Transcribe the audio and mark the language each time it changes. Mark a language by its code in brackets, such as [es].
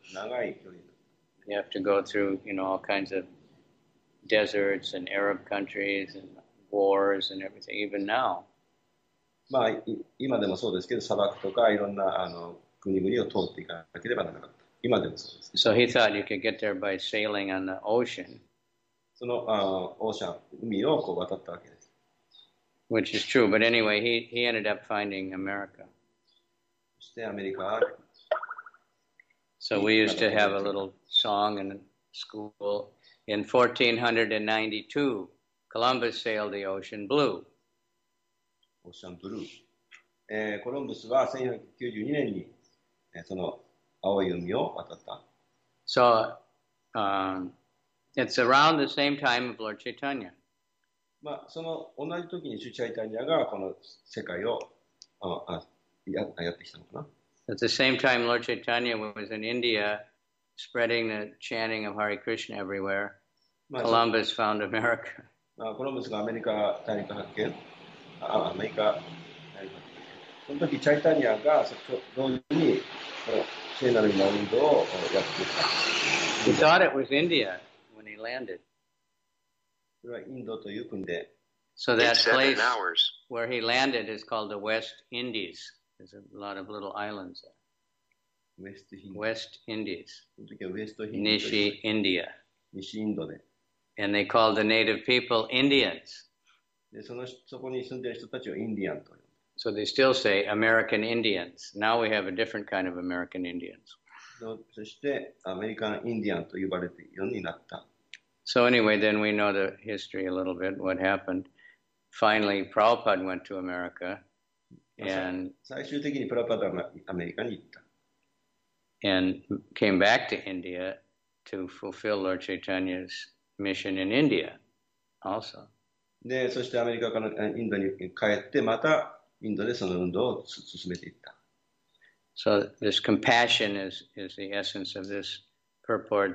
[en] You have to go through, you know, all kinds of deserts and Arab countries and wars and everything, even now. [ja] まあ、今でもそうですけど、砂漠とかいろんな国々を通っていかなければならなかった。今でもそうです。 [en] So he thought you could get there by sailing on the ocean. [ja] その、オーシャン、海をこう渡ったわけです。 [en] Which is true, but anyway, he ended up finding America. [ja] そしてアメリカは。 [en] So we used to have a little song in school. In 1492, Columbus sailed the ocean blue. [ja] オーシャンブルー。コロンブスは1492年に、その青い海を渡った。 [en] So, It's around the same time of Lord Chaitanya. [ja] まあ、その同じ時に主チャイタニアがこの世界をやってきたのかな。 [en] At the same time, Lord Chaitanya was in India, spreading the chanting of Hare Krishna everywhere. Columbus found America. [ja] Columbus がアメリカ大陸発見。アメリカ大陸発見。その時、チャイタニアが同時に聖なるマウンドをやっていた。 [en] He thought it was India when he landed. [ja] それはインドという国で。 [en] So that place where he landed is called the West Indies. There's a lot of little islands there. West Indies. [ja] Nishi India. Nishi Indo de. [en] And they called the native people Indians. So they still say American Indians. Now we have a different kind of American Indians. [ja] そして、アメリカン・インディアンと呼ばれているようになった。 [en] So anyway, then we know the history a little bit, what happened. Finally, Prabhupada went to America, and [ja] 最終的にプラパダがアメリカに行った。 [en] And came back to India to fulfill Lord Chaitanya's mission in India, also. [ja] で、そしてアメリカからインドに帰って、またインドでその運動を進めていった。 [en] So this compassion is the essence of this purport.